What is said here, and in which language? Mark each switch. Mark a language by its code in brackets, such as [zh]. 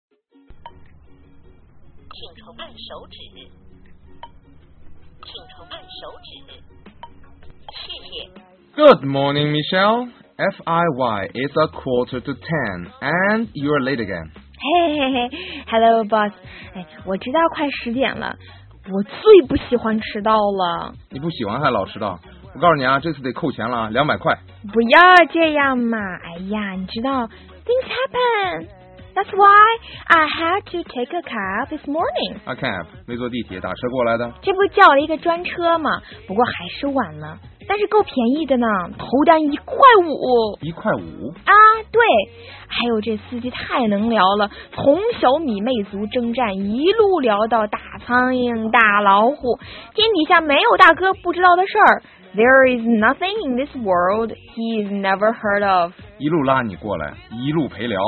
[zh] 请从按手指，请从按手指，谢谢。 [en] Good morning, Michelle. FIY, it's a quarter to ten, and you're late again. Hello, boss. [zh] 我知道快十点了，我最不喜欢迟到了。你不喜欢还老迟到？我告诉你啊，这次得扣钱了，200块。不要这样嘛！哎呀，你知道 ， [en] things happen. That's why I had to take a cab this morning. A cab? [zh] 没坐地铁，打车过来的？这不叫了一个专车吗？不过还是晚了。但是够便宜的呢，头单1.5块。 1.5块？啊，对。还有这司机太能聊了，从小米魅族征战一路聊到大苍蝇、大老虎，天底下没有大哥不知道的事儿。 [en] There is nothing in this world he's never heard of. [zh] 一路拉你过来，一路陪聊，